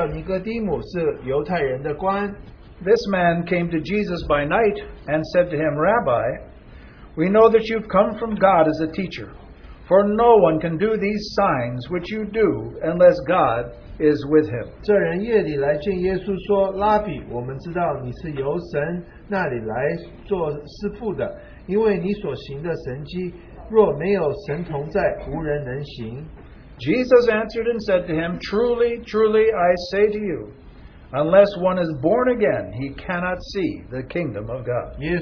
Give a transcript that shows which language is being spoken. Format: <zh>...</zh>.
<zh>有一个法利赛人，他名叫尼哥底母，是犹太人的官。</zh> <en>This man came to Jesus by night and said to him, Rabbi, we know that you've come from God as a teacher, for no one can do these signs which you do unless God is with him.</en> <zh>这人夜里来见耶稣说，拉比，我们知道你是由神那里来做师父的，因为你所行的神迹，若没有神同在，无人能行。</zh> <en>Jesus answered and said to him, Truly, truly, I say to you, unless one is born again, he cannot see the kingdom of God.</en>